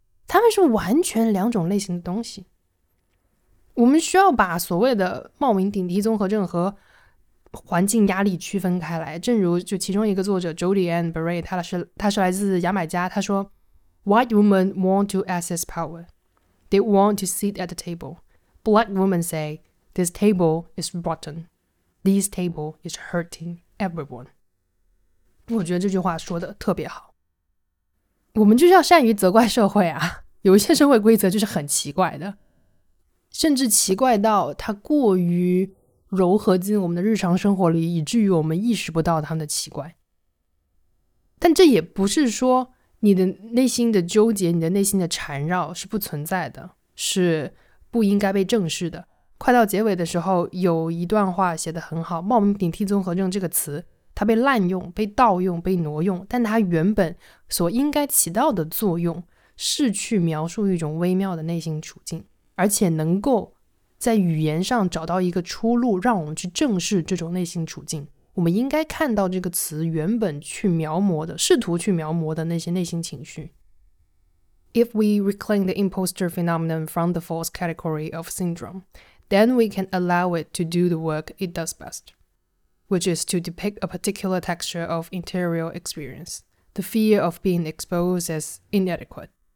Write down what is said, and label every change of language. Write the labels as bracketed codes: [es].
[zh] 他们是完全两种类型的东西。我们需要把所谓的冒名顶替综合症和环境压力区分开来。正如就其中一个作者 Jodie Ann Barry， 他是来自牙买加，他说 [en] White women want to access power. They want to sit at the table. Black women say, This table is rotten. This table is hurting everyone. [zh] 我觉得这句话说的特别好。我们就是要善于责怪社会啊，有一些社会规则就是很奇怪的，甚至奇怪到它过于柔和进我们的日常生活里，以至于我们意识不到它的奇怪。但这也不是说你的内心的纠结，你的内心的缠绕是不存在的，是不应该被正视的。快到结尾的时候有一段话写得很好，冒名顶替综合症这个词它被滥用，被盗用，被挪用，但它原本所应该起到的作用是去描述一种微妙的内心处境，而且能够在语言上找到一个出路，让我们去正视这种内心处境。我们应该看到这个词原本去描摹的，试图去描摹的那些内心情绪。 [en] If we reclaim the imposter phenomenon from the false category of syndrome, then we can allow it to do the work it does bestwhich is to depict a particular texture of interior experience, the fear of being exposed as inadequate.